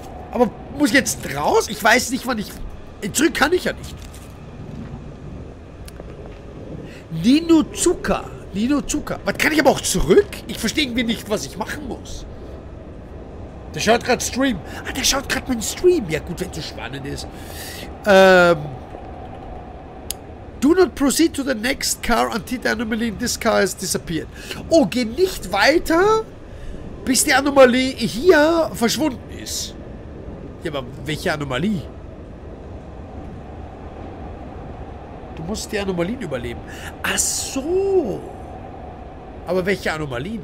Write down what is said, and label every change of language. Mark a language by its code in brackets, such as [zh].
[de] Aber muss ich jetzt raus? Ich weiß nicht, wann ich... Zurück kann ich ja nicht. Ninozuka. Was, kann ich aber auch zurück? Ich verstehe irgendwie nicht, was ich machen muss. Der schaut gerade Stream. Ah, der schaut gerade meinen Stream. Ja gut, wenn es so spannend ist. [en] Do not proceed to the next car until the anomaly in this car has disappeared. [de] Oh, geh nicht weiter, bis die Anomalie hier verschwunden ist. Ja, aber welche Anomalie? Du musst die Anomalien überleben. Ach so. Aber welche Anomalien?